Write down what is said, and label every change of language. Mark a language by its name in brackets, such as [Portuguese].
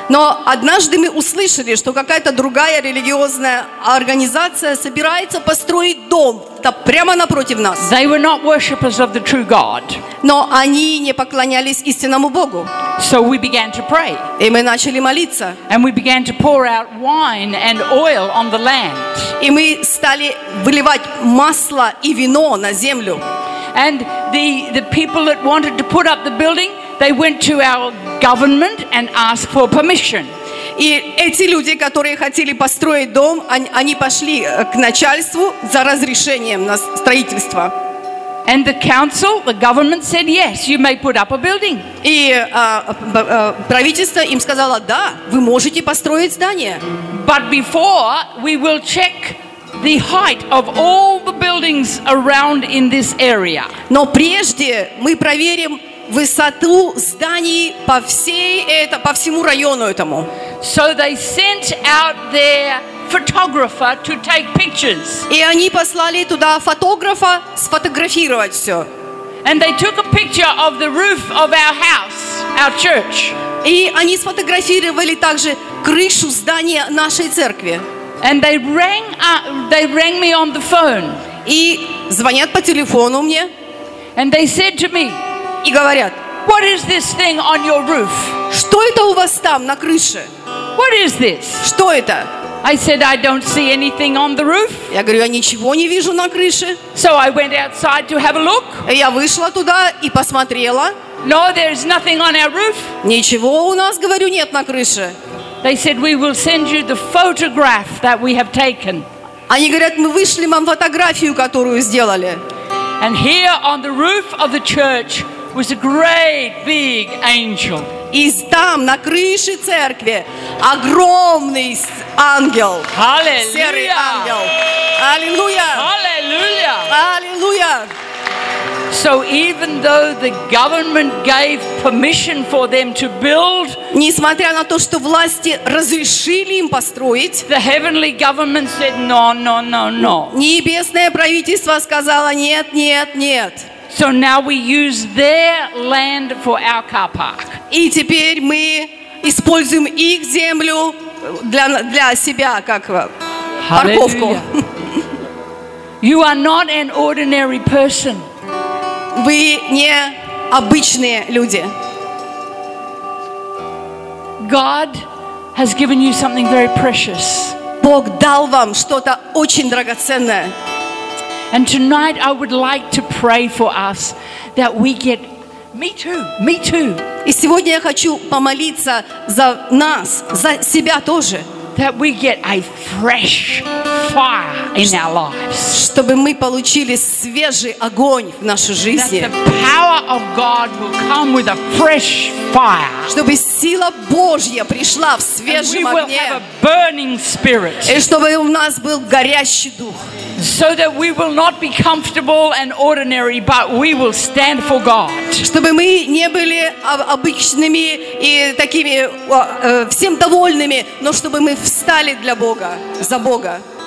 [Russian] Но однажды мы услышали, что какая-то другая религиозная организация собирается построить дом прямо напротив нас. [English] They were not worshippers of the true God. [Russian] Но они не поклонялись истинному Богу. [English] So we began to pray. [Russian] И мы начали молиться. [English] And we began to pour out wine and oil on the land. [Russian] И мы стали выливать масло и вино на землю. [English] And the people that wanted to put up the building, they went to our government and asked for permission. [Russian] И эти люди, которые хотели построить дом, они пошли к начальству за разрешением на строительство. [English] And the council, the government said, "Yes, you may put up a building." [Russian] И правительство им сказало: "Да, вы можете построить здание." [English] But before we will check the height of all the buildings around in this area. [Russian] Но прежде мы проверим высоту зданий по всему району этому. [English] So they sent out their photographer to take pictures. [Russian] И они послали туда фотографа сфотографировать все. [English] And they took a picture of the roof of our house, our church. [Russian] И они сфотографировали также крышу здания нашей церкви. [English] And they rang me on the phone. [Russian] И звонят по телефону мне. [English] And they said to me, [Russian] и говорят, [English] what is this thing on your roof? [Russian] Что это у вас там на крыше? [English] What is this? [Russian] Что это? [English] I said, I don't see anything on the roof. [Russian] Я говорю, я ничего не вижу на крыше. [English] So I went outside to have a look. [Russian] Я вышла туда и посмотрела. [English] No, there is nothing on our roof. [Russian] Ничего у нас, говорю, нет на крыше. [English] They said, we will send you the photograph that we have taken. [Russian] Они говорят, мы вышли вам фотографию, которую сделали. [English] And here on the roof of the church was a great big angel. [Russian] И там, на крыше церкви, огромный ангел. [English] Hallelujah. [Russian] Серый ангел. Аллилуйя. Аллилуйя. Аллилуйя. [English] So even though the government gave permission for them to build, [Russian] несмотря на то, что власти разрешили им построить, [English] the heavenly government said no, no, no, no. [Russian] Небесное правительство сказало нет, нет, нет. [English] So now we use their land for our car park. [Russian] И теперь мы используем их землю для себя как парковку. [English] You are not an ordinary person. [Russian] Вы не обычные люди. [English] God has given you something very precious. [Russian] Бог дал вам что-то очень драгоценное. [English] And tonight I would like to pray for us that we get me too. [Russian] И сегодня я хочу помолиться за нас, за себя тоже. [English] That we get a fresh fire in our lives. [Russian] Чтобы мы получили свежий огонь в нашей жизни. [English] That the power of God will come with a fresh fire. [Russian] Чтобы сила Божья пришла в свежем огне. [English] And we will have a burning spirit. [Russian] И чтобы у нас был горящий дух. [English] So that we will not be comfortable and ordinary, but we will stand for God. [Russian] Чтобы мы не были обычными и такими всем довольными, но чтобы мы встали для Бога, за Бога.